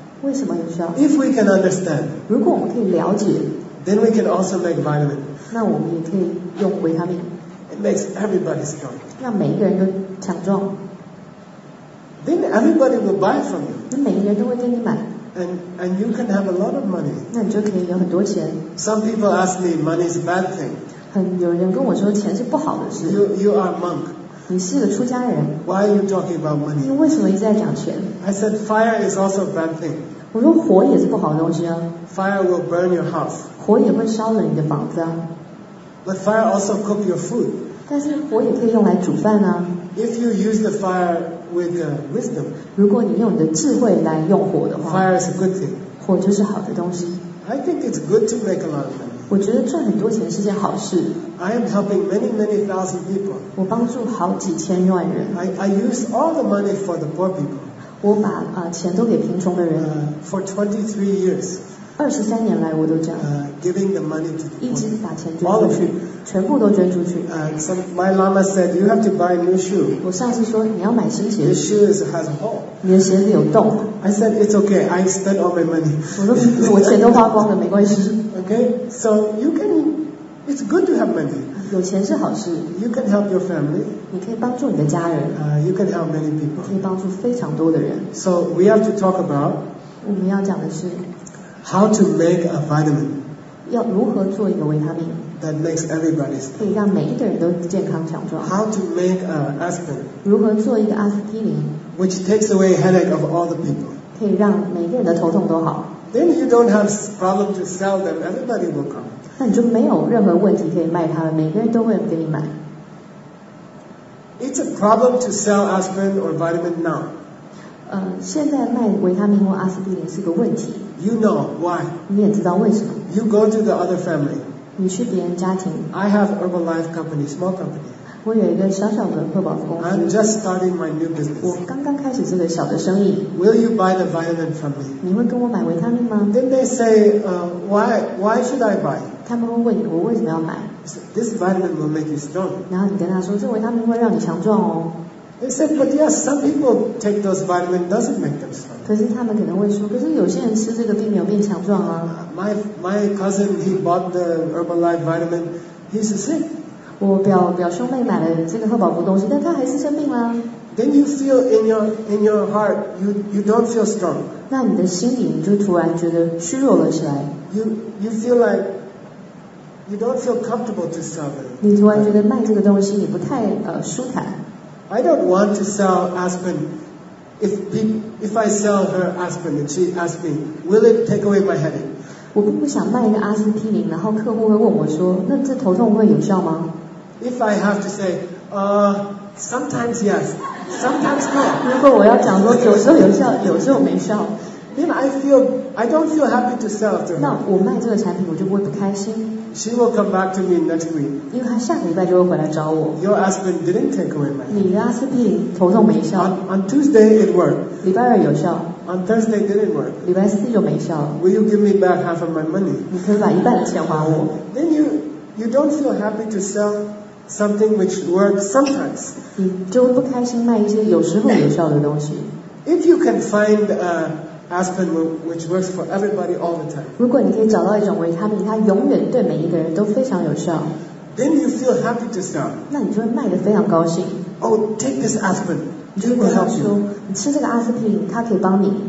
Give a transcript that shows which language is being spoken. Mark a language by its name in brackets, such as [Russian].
[Chinese] 为什么有效？ [English] If we can understand. [Chinese] 如果我们可以了解。 [English] Then we can also make vitamin. [Chinese] 那我们也可以用维他命。 [English] It makes everybody strong. [Chinese] 让每一个人都强壮。 [English] Then everybody will buy from you. [Chinese] 那每一个人都会跟你买。 [English] And you can have a lot of money. [Chinese] 那你就可以有很多钱。 [English] Some people ask me, money is a bad thing. [Chinese] 有人跟我说钱是不好的事。 [English] You are a monk. [Chinese] 你是个出家人。 [English] Why are you talking about money? [Chinese] 你为什么一直在讲钱？ [English] I said, fire is also a bad thing. [Chinese] 我说火也是不好的东西啊。 [English] Fire will burn your house. [Chinese] 火也会烧了你的房子啊。 [English] But fire also cook your food. [Chinese] 但是火也可以用来煮饭啊。 [English] If you use the fire with wisdom, [Chinese] 如果你用你的智慧来用火的话， [English] fire is a good thing. [Chinese] 火就是好的东西。 [English] I think it's good to make a lot of money. [Chinese] 我觉得赚很多钱是件好事。 [English] I am helping many, many thousand people. [Chinese] 我帮助好几千万人。 [English] I use all the money for the poor people. [Chinese] 我把钱都给贫穷的人。 [English] For 23 years. [Chinese] 23年来我都这样 [English] giving the money to the [Chinese] 一直把钱捐出去全部都捐出去 [English] My Lama said you have to buy a new shoe [Chinese] 我上次说你要买新鞋 [English] Your shoe has a hole [Chinese] 你的鞋子有洞 [English] I said it's okay I spent all my money [Chinese] 我钱都花光了没关系 [English] Okay so you can it's good to have money [Chinese] 有钱是好事 [English] You can help your family [Chinese] 你可以帮助你的家人 [English] You can help many people [Chinese] 可以帮助非常多的人 [English] So we have to talk about [Chinese] 我们要讲的是 [English] How to make a vitamin? [Chinese] 要如何做一个维他命 [English] ？That makes everybody [Chinese] 可以让每一个人都健康强壮。 [English] How to make an aspirin? [Chinese] 如何做一个阿司匹林 [English] ？Which takes away headache of all the people? [Chinese] 可以让每个人的头痛都好。 [English] Then you don't have problem to sell them. Everybody will come. [Chinese] 那你就没有任何问题可以卖他们，每个人都会给你买。 [English] It's a problem to sell aspirin or vitamin now. [Chinese] 现在卖维他命或阿司匹林是个问题。 [English] You know why? [Chinese] 你也知道为什么。 [English] You go to the other family. [Chinese] 你去别人家庭。 [English] I have Herbalife company, small company. [Chinese] 我有一个小小的赫宝公司。 [English] I'm just starting my new business. [Chinese] 我刚刚开始这个小的生意。 [English] Will you buy the vitamin from me? [Chinese] 你会跟我买维他命吗 [English] ？Then they say, why should I buy? [Chinese] 他们会问你，我为什么要买 [English] ？This vitamin will make you strong. [Chinese] 然后你跟他说，这维他命会让你强壮哦。 [English] They said, but yes, some people take those vitamins, doesn't make them strong. [Chinese] 可是他们可能会说，可是有些人吃这个并没有变强壮啊。 [English] My cousin, he bought the Herbalife vitamin, he's sick. [Chinese] 我表兄妹买了这个赫宝福东西，但他还是生病啦。 [English] Then you feel in your heart, you don't feel strong. [Chinese] 那你的心里就突然觉得虚弱了起来。 [English] You feel like. You don't feel comfortable to sell it. [Chinese] 你突然觉得卖这个东西你不太舒坦。 [English] I don't want to sell aspirin. If I sell her aspirin and she asks me, will it take away my headache? [Chinese] 我不想卖一个阿司匹林，然后客户会问我说，那这头痛会有效吗 [English] ？If I have to say, sometimes yes, sometimes no. [Chinese] 如果我要讲说有时候有效，有时候没效。 [English] Then I don't feel happy to sell to her. [Chinese] 那我卖这个产品，我就不会不开心。 [English] She will come back to me next week. [Chinese] 因为她下个礼拜就会回来找我。 [English] Your aspirin didn't take away my. [Chinese] 你的阿司匹林头痛没效。 [English] On Tuesday it worked. [Chinese] 礼拜二有效。 [English] On Thursday didn't work. [Chinese] 礼拜四就没效。 [English] Will you give me back half of my money? [Chinese] 你可以把一半的钱还我。 [English] Then you don't feel happy to sell something which works sometimes. [Chinese] 你就不开心卖一些有时候有效的东西。 [English] If you can find Aspirin, which works for everybody all the time. [Chinese] 如果你可以找到一种维他命，它永远对每一个人都非常有效。 [English] Then you feel happy to sell. [Chinese] 那你就会卖得非常高兴。 [English] Oh, take this aspirin. [Chinese] 你就跟他说，你吃这个阿司匹林，它可以帮你。